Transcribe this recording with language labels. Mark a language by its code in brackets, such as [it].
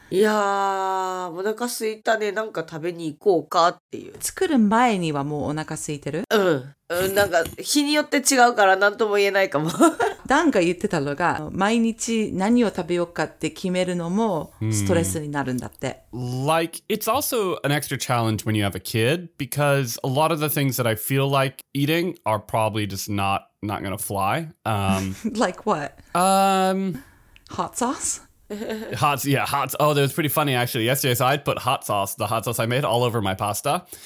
[ja] Yeah, お腹空いたね。なんか食べに行こうかっていう。作る前にはもうお腹空いてる？うん。なんか日によって違うから何とも言えないかも。ダンが言ってたのが毎日何を食べようかって決めるのもストレスになるんだって。 [en] Like it's also an extra challenge when you have a kid because a lot of the things that I feel like eating are probably just not gonna fly. like what? Hot sauce. Oh, that was pretty funny, actually. Yesterday, so I put hot sauce, the hot sauce I made, all over my pasta.